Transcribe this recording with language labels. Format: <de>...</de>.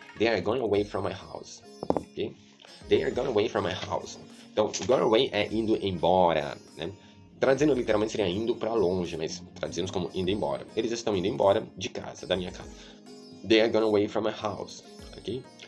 <en>They are gone away from my house, ok? They are gone away from my house.</en> <pt>Então, gone away é indo embora, né? Traduzindo literalmente seria indo para longe, mas traduzimos como indo embora. Eles estão indo embora de casa, da minha casa.</pt> <en>They are gone away from my house, ok?</en>